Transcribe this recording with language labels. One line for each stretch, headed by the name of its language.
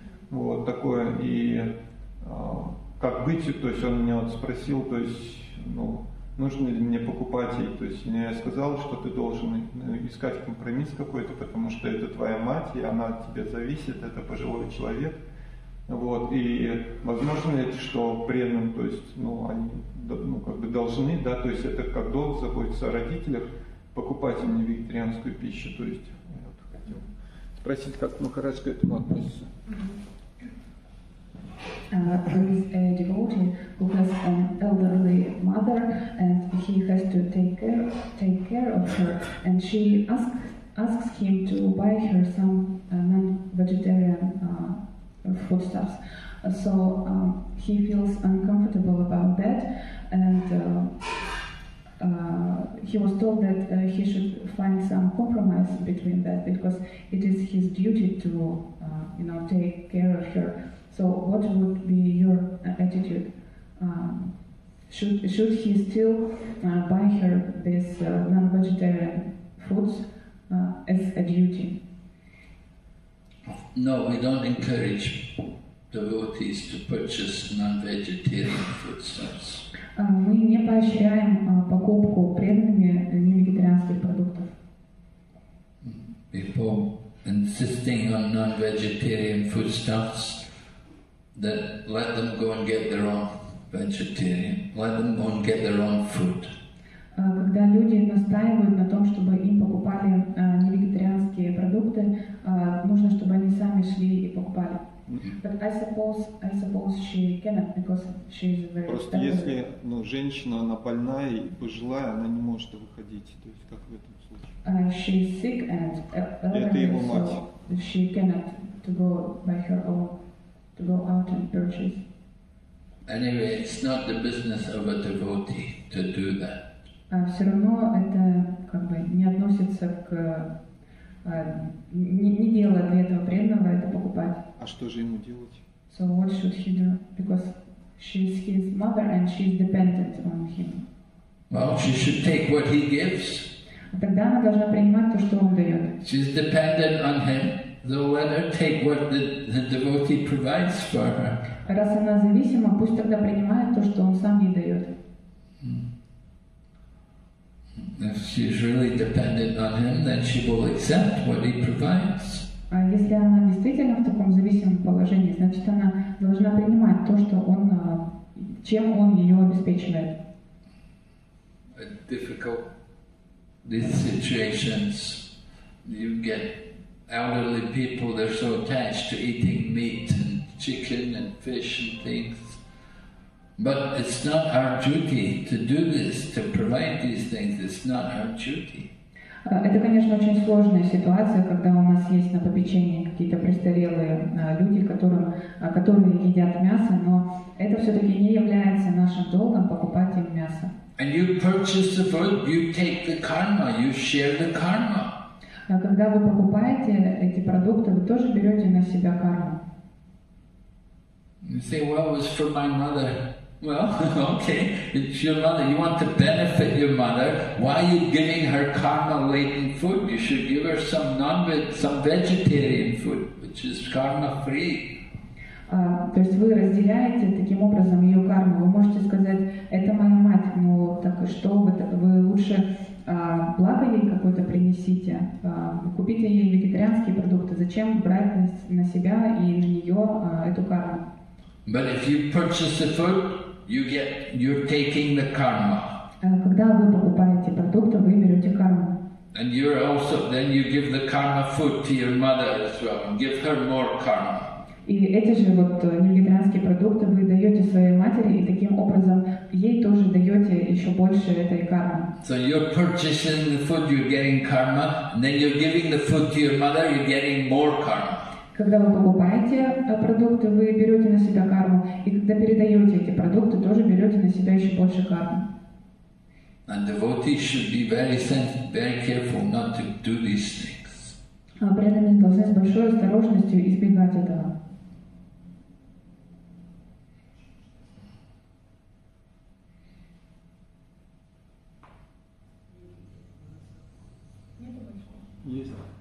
Russian: Вот такое, и как быть, то есть он меня вот спросил, то есть, ну, нужно ли мне покупать ей, то есть я сказал, что ты должен искать компромисс какой-то, потому что это твоя мать, и она от тебя зависит, это пожилой человек, вот, и возможно ли это, что преданным, то есть, ну, они, ну, как бы должны, да, то есть это как долг заботиться о родителях, покупать им не вегетарианскую пищу, то есть, я вот хотел спросить, как Махарадж к этому относится.
English: There is a devotee who has an elderly mother, and he has to take care of her. And she asks him to buy her some non-vegetarian foodstuffs. So he feels uncomfortable about that, and he was told that he should find some compromise between that, because it is his duty to, you know, take care of her. So what would be your attitude? Should he still buy her this non-vegetarian foods as a duty? No, we don't encourage devotees to purchase non-vegetarian foodstuffs.
Russian: Мы не поощряем покупку преданными невегетарианских продуктов.
English: Before insisting on non-vegetarian foodstuffs, that let them go and get their own vegetarian, let them go and get their own food.
Russian: Когда люди настаивают на том, чтобы им покупали невегетарианские продукты, нужно, чтобы они сами шли и покупали.
English: But I suppose she cannot, because she is very.
Russian: Просто если, ну, женщина, она больная и пожилая, она не может выходить. То есть как в этом случае?
English: She is sick and elderly.
Russian: Это его мать.
English: So she cannot to go by her own. To go out and purchase. Anyway, it's not the business of a devotee to do that.
Russian: Все равно это как бы не относится к не дело для этого преданного это покупать. А что же ему делать?
English: So what should he do? Because she is his mother and she is dependent on him. Well, she should take what he gives.
Russian: Тогда она должна принимать то, что он дает.
English: She is dependent on him. So let her take what the devotee provides for her.
Russian: Раз она зависима, пусть тогда принимает то, что он сам ей дает.
English: If she's really dependent on him, then she will accept what he provides.
Russian: А если она действительно в таком зависимом положении, значит она должна принимать то, что он, чем он ее обеспечивает.
English: Difficult these situations you get. Elderly people, they're so attached to eating meat and chicken and fish and things. But it's not our duty to do this, to provide these things. It's not our duty.
Russian: Это, конечно, очень сложная ситуация, когда у нас есть на попечении какие-то престарелые люди, которые едят мясо, но это все-таки не является нашим долгом покупать им мясо.
English: And you purchase the food, you take the karma, you share the karma.
Russian: Когда вы покупаете эти продукты, вы тоже берете на себя карму.
English: You say, well, it was for my mother. Well, okay, it's your mother. You want to benefit your mother. Why are you giving her karma-laden food? You should give her some vegetarian food, which is karma-free.
Russian: То есть вы разделяете таким образом ее карму. Вы можете сказать, это моя мать, но так и что, вы лучше благо ей какое-то принесите, купите ей вегетарианские продукты. Зачем брать на себя и на нее эту карму?
English: But if you purchase the food, you're taking the karma.
Russian: Когда вы покупаете продукты, вы берете карму.
English: And you're also, then you give the karma food to your mother as well. Give her more karma.
Russian: И эти же вот невегетарианские продукты вы даете своей матери, и таким образом ей тоже даете еще больше этой кармы.
English: So you're purchasing the food, you're getting karma, and then you're giving the food to your mother, you're getting more karma.
Russian: Когда вы покупаете продукты, вы берете на себя карму, и когда передаете эти продукты, тоже берете на себя еще больше кармы.
English: And devotees should be very sensitive, very careful not to do these things.
Russian: Преданные должны с большой осторожностью избегать этого. Есть.